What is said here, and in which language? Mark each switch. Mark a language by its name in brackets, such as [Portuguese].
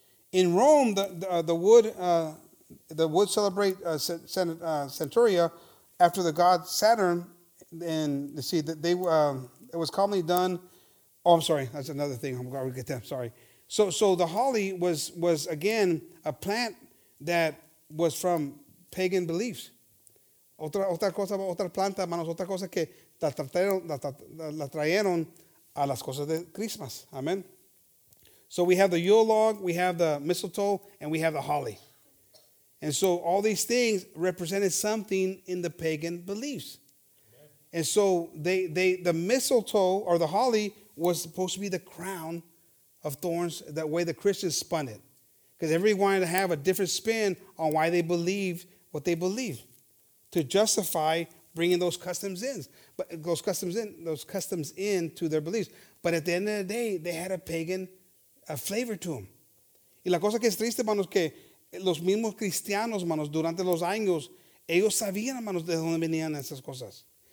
[English] In Rome, the wood celebrate Centuria after the god Saturn, and you see that they it was commonly done. Oh, I'm sorry, that's another thing. I'm gonna get them. Sorry. So the holly was again a plant that was from pagan beliefs. [Spanish] Otra planta, manos, otra cosa que la trajeron a las cosas de Christmas. [English] Amen. So we have the Yule log, we have the mistletoe, and we have the holly. And so all these things represented something in the pagan beliefs. And so the mistletoe or the holly was supposed to be the crown of thorns, that way the Christians spun it. Because everybody wanted to have a different spin on why they believed what they believed, to justify bringing those customs in. But those customs in to their beliefs. But at the end of the day, they had a pagan flavor to them. [Spanish] Y la cosa que es triste, hermanos, que los mismos cristianos, hermanos, durante los años, ellos sabían, hermanos, de dónde venían esas cosas.